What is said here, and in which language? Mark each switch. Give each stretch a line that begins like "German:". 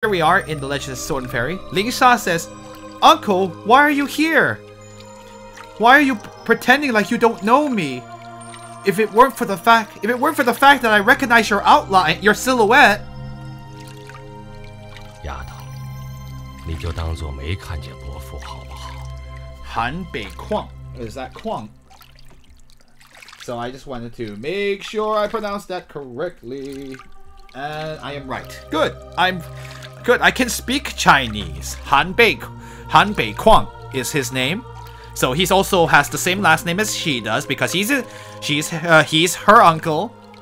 English: here we are in the Legend of Sword and Fairy. Ling Xia says, Uncle, why are you here? Why are you pretending like you don't know me? If it weren't for the fact that I recognize your outline, your silhouette.
Chinese: 丫头，你就当做没看见伯父好不好？
English: 韩北矿 is that 矿？ So I just wanted to make sure I pronounced that correctly, and I am right. Good. I'm good. I can speak Chinese. Han Bei Kuang is his name. So he's also has the same last name as she does because he's her uncle.